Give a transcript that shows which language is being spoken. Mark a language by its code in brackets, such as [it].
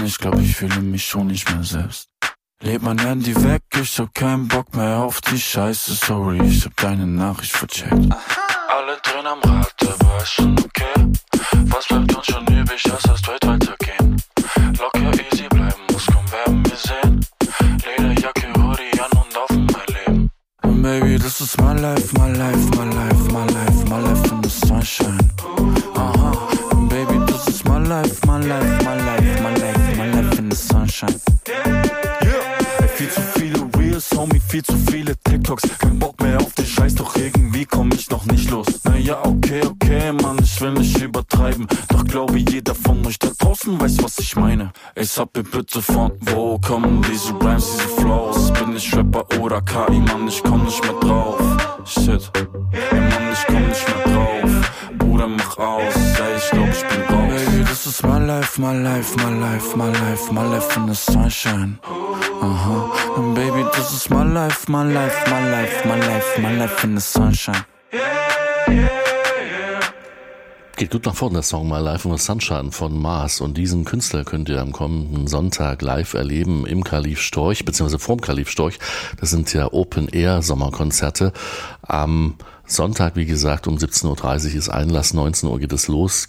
[de] Ich glaub, ich fühle mich schon nicht mehr selbst. Leg mein Handy weg, ich hab keinen Bock mehr auf die Scheiße. Sorry, ich hab deine Nachricht vercheckt. Alle drin am Rad, der war schon okay. Was bleibt uns schon übrig, das heißt weit weitergehen. Locker easy bleiben muss, komm, werden wir sehen. Lederjacke, Hoodie an und auf mein Leben. [en] Baby, this is my life, my life, my life, my life, my life in the sunshine. Aha, baby, this is my life, my life, my life, my life, my life in the sunshine. [de] Yeah, viel zu viele Reels, homie, viel zu viele TikToks. Kein Bock mehr auf den Scheiß, doch irgendwie komm ich noch nicht los. plus. Naja, okay, okay, Mann, ich will nicht übertreiben. Doch glaube jeder von euch da draußen weiß, was ich meine. Ich hab ihr bitte von wo kommen diese Rhymes, diese Flows? Bin ich Rapper oder KI, Mann, ich komm nicht mehr drauf. Shit, ey, Mann, ich komm nicht mehr drauf. Bruder, mach aus, ey, ich glaub, ich bin raus. [en] Hey, this is my life, my life, my life, my life, my life in the sunshine. Aha, and baby, this is my life, my life, my life, my life, my life in the sunshine. [de] Geht gut nach vorne, der Song My Life in the Sunshine von Mars. Und diesen Künstler könnt ihr am kommenden Sonntag live erleben im Kalif Storch, beziehungsweise vorm Kalif Storch. Das sind ja Open-Air-Sommerkonzerte. Am Sonntag, wie gesagt, um 17.30 Uhr ist Einlass, 19 Uhr geht es los.